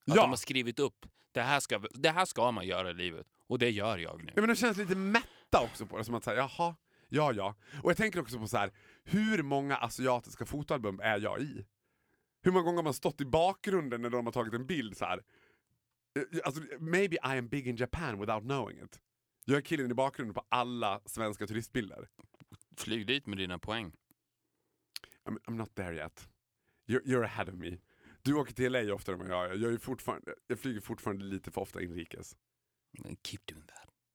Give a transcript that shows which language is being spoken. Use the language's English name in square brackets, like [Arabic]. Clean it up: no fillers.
[Swedish] Att ja, de har skrivit upp, det här ska man göra i livet. Och det gör jag nu. Ja, men de känns lite mätta också på det. Som att säga, jaha, ja, ja. Och jag tänker också på så här, hur många asiatiska fotoalbum är jag i? Hur många gånger har man stått i bakgrunden när de har tagit en bild så här? Alltså, [English] maybe I am big in Japan without knowing it. [Swedish] Jag är killen i bakgrunden på alla svenska turistbilder. Flyg dit med dina poäng. [English] I'm not there yet. You're ahead of me. [Swedish] Du åker till LA oftare än jag. Jag flyger fortfarande lite för ofta inrikes. [English] Keep doing that.